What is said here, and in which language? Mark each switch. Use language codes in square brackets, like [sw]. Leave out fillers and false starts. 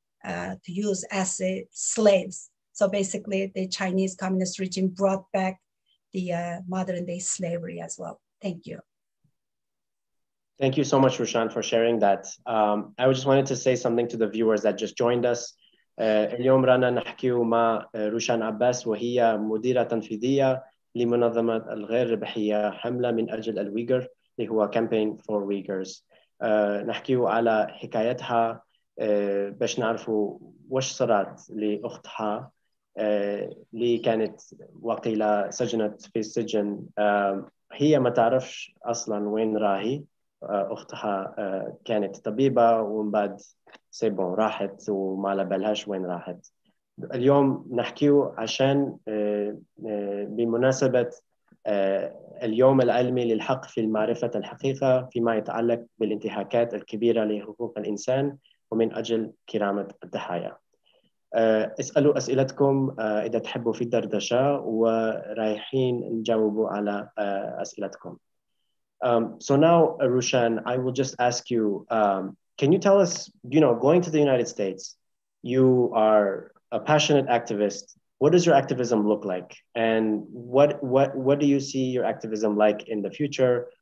[en] to use as slaves. So basically, the Chinese Communist regime brought back the modern-day slavery as well. Thank you. Thank you so much, Roshan, for sharing that. I just wanted to say something to the viewers that just joined us. [ar] اليوم رانا نحكيو مع روشان عباس وهي مديرة تنفيذية لمنظمة الغير ربحية حملة من أجل الويغر اللي هو [en] campaign for Uyghurs. [ar] نحكيو على حكايتها باش نعرفوا واش صارت لأختها اللي كانت وقيلة سجنت في السجن. هي ما تعرفش أصلاً وين راهي. أختها كانت طبيبة ومن بعد سيبون راحت وما لبالهاش وين راحت. اليوم نحكيو عشان بمناسبة اليوم العالمي للحق في المعرفة الحقيقة فيما يتعلق بالانتهاكات الكبيرة لحقوق الإنسان ومن أجل كرامة الضحايا. اسألوا أسئلتكم إذا تحبوا في الدردشة ورايحين نجاوبوا على أسئلتكم. [en] So now, Roshan, I will just ask you, can you tell us, you know, going to the United States, you are a passionate activist. What does your activism look like? And what do you see your activism like in the future?